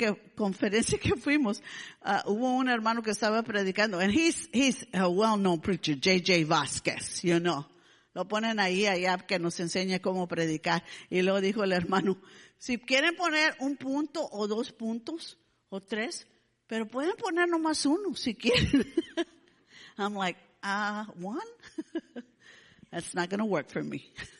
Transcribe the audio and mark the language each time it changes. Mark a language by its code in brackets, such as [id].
[es] En esta conferencia que fuimos, hubo un hermano que estaba predicando. [en] And he's a well-known preacher, J.J. Vasquez, you know. [es] Lo ponen ahí, allá, que nos enseñe cómo predicar. Y luego dijo el hermano, si quieren poner un punto o dos puntos o tres, pero pueden poner nomás uno si quieren. [en] I'm like, one? That's not going to work for me.